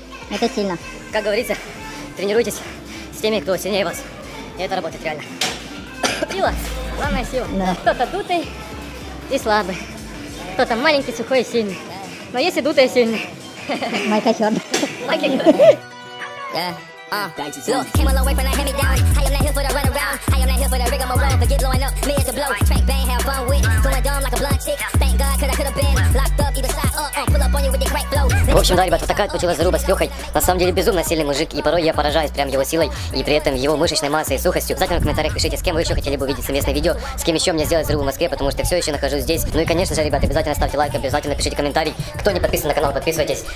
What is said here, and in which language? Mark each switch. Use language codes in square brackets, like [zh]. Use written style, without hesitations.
[ru] Это сильно. Как говорится, тренируйтесь с теми, кто сильнее вас. И это работает реально. Сила. Главная сила. Да. Кто-то дутый и слабый. Кто-то маленький, сухой и сильный. Но есть и дутый и сильный. Майка Хёрн. Майка Хёрн. [en] Look, came a long way from the hand-me-down. I am not here for the runaround. I am not here for the rigmarole. Forget blowing up, me it's a blow. Track bang, have fun with. Going dumb like a blunt chick. Thank God, cause I could've been locked up either side. [ru] В общем, да, ребят, вот такая получилась заруба с Лёхой. На самом деле, безумно сильный мужик, и порой я поражаюсь прям его силой, и при этом его мышечной массой и сухостью. Обязательно в комментариях пишите, с кем вы еще хотели бы увидеть совместное видео, с кем еще мне сделать зарубу в Москве, потому что я все еще нахожусь здесь. Ну и, конечно же, ребят, обязательно ставьте лайк, обязательно пишите комментарий. Кто не подписан на канал, подписывайтесь.